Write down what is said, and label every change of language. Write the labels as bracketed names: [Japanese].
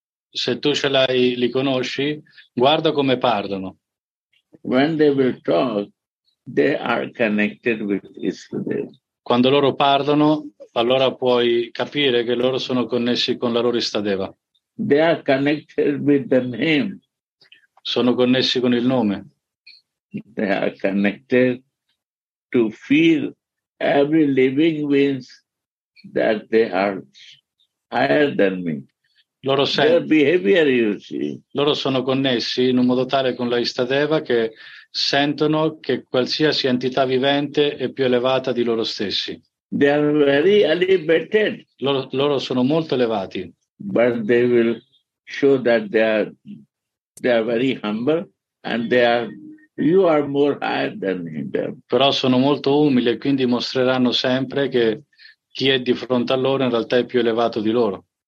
[Italian] Se tu ce l'hai, li conosci, guarda come parlano. [English] When they will talk, they are connected with Isvadeva. [Italian] Quando loro parlano, allora puoi capire che loro sono connessi con la loro Isvadeva. [English] They are connected with the name. [Italian] Sono connessi con il nome. [English] They are connected to feel every living being that they are higher than me. [Italian] Loro [English] their behavior, you see. [Italian] Loro sono connessi in un modo tale con la Isvadeva che sentono che qualsiasi entità vivente è più elevata di loro stessi. [English] They are very elevated. [Italian] Loro sono molto elevati. [English] But they will show that they are very humble and you are more higher than them. [Italian] Però sono molto umili e quindi mostreranno sempre che chi è di fronte a loro in realtà è più elevato di loro.